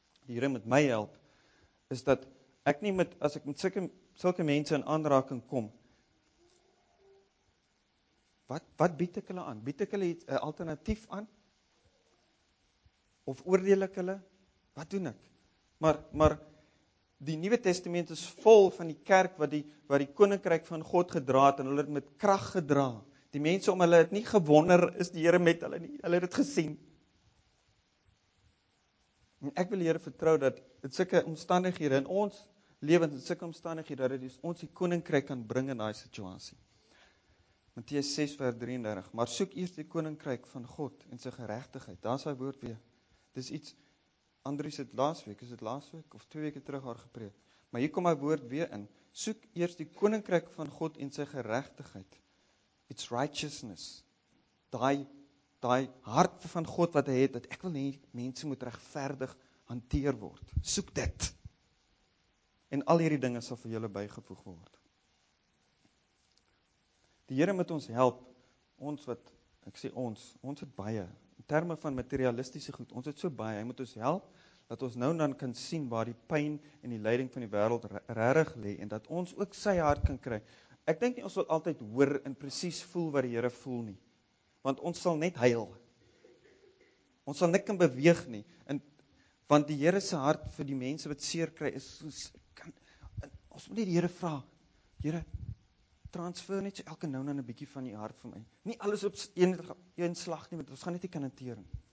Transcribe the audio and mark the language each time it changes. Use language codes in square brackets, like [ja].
[af] Die Here met my help is dat ek nie met as ek met sulke mense in aanraking kom. Wat bied ek hulle aan? Bied ek hulle 'n alternatief aan? Of oordeel ek hulle? Wat doen ek? Maar die Nuwe Testament is vol van die kerk wat die koninkryk van God gedra het en hulle het met krag gedra. Die mense om hulle het nie gewonder is die Here met hulle nie. Hulle het dit gesien. En ek wil die Here vertrou dat dit sulke omstandighede in ons lewens en sulke omstandighede dat dit ons die koninkryk kan bring in daai situasie. Matteus 6 vers 33. Maar soek eers die koninkryk van God en sy geregtigheid. Daar's sy woord weer. Dis iets Andries het laasweek of 2 weke terug haar gepreek. Maar hier kom my woord weer in. Soek eers die koninkryk van God en sy geregtigheid. [en] It's righteousness. [af] Daai hart van God wat hy het, dat ek wil hê mense moet regverdig hanteer word. Soek dit. En al hierdie dinge sal vir julle bygevoeg word. Die Here moet ons help. Ons wat, ek sê ons het baie. In terme van materialistiese goed, ons het so baie, hy moet ons help, dat ons nou dan kan sien waar die pyn en die lyding van die wêreld regtig lê, en dat ons ook sy hart kan kry. Ek dink nie ons wil altyd hoor en presies voel wat die Here voel nie, want ons sal net huil. Ons sal nik kan beweeg nie, en Want die Here se hart vir die mense wat seer kry is soos kan ons moet net die Here vra. Here, transfer net so elke nou dan 'n bietjie van die hart vir my. Nie alles op een slag nie, want ons gaan net nie kan hanteer nie.